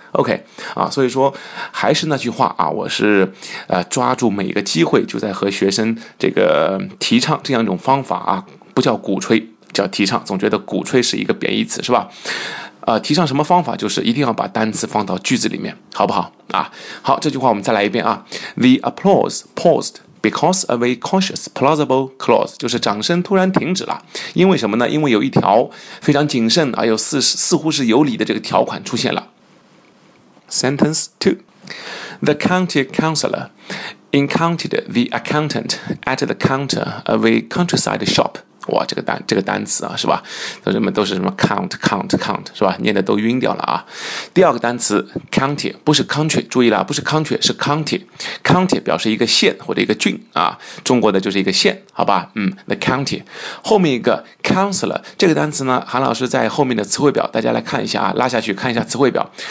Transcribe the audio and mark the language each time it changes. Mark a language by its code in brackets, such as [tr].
[zh] OK 啊，所以说还是那句话啊，我是抓住每一个机会就在和学生这个提倡这样一种方法啊，不叫鼓吹，叫提倡，总觉得鼓吹是一个贬义词，是吧？提倡什么方法，就是一定要把单词放到句子里面，好不好啊？好，这句话我们再来一遍啊。 [en] The applause pausedBecause of a cautious, plausible clause, [zh] 就是掌声突然停止了。因为什么呢？因为有一条非常谨慎而又似乎是有理的这个条款出现了。 [en] Sentence 2. The county councillor encountered the accountant at the counter of a countryside shop. [zh] 哇，这个单词啊，是吧？都是什么 count count count, 是吧？念的都晕掉了啊。第二个单词 county, 不是 country, 注意了，不是 country, 是 county。 county 表示一个县或者一个郡啊，中国的就是一个县，好吧？嗯 ，the county。后面一个 counselor 这个单词呢，韩老师在后面的词汇表，大家来看一下啊，拉下去看一下词汇表。